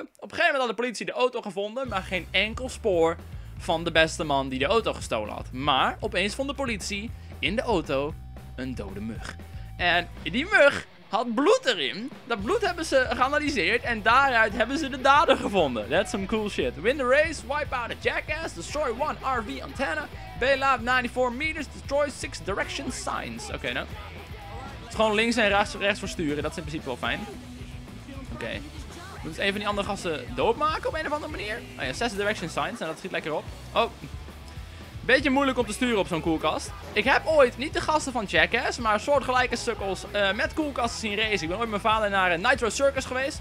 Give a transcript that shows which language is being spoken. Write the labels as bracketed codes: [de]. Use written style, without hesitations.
[nl] Op een gegeven moment had de politie de auto gevonden, maar geen enkel spoor van de beste man die de auto gestolen had. Maar opeens vond de politie in de auto een dode mug. En die mug... had bloed erin. Dat bloed hebben ze geanalyseerd en daaruit hebben ze de dader gevonden. [en] That's some cool shit. Win the race, wipe out a jackass, destroy one RV antenna, bail out 94 meters, destroy 6 direction signs. [nl] Oké, nou. Het is gewoon links en rechts versturen, dat is in principe wel fijn. Oké. Moet eens een van die andere gasten doodmaken op een of andere manier. Oh ja, 6 direction signs, en dat schiet lekker op. Oh. Beetje moeilijk om te sturen op zo'n koelkast. Ik heb ooit, niet de gasten van Jackass, maar soortgelijke sukkels met koelkasten zien racen. Ik ben ooit met mijn vader naar Nitro Circus geweest.